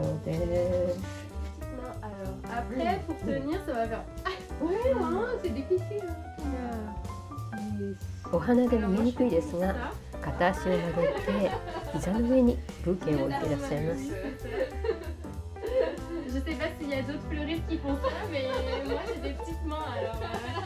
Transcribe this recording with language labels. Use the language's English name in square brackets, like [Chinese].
[French] Non, alors après pour tenir, ça va faire. Ouais, c'est difficile. [Japanese] お花が見えにくいですが。片足を曲げて膝の上にブーケを置いていらっしゃいます。 [French] Je sais pas s'il y a d'autres fleuristes qui font ça, mais moi j'ai des petites mains alors ça va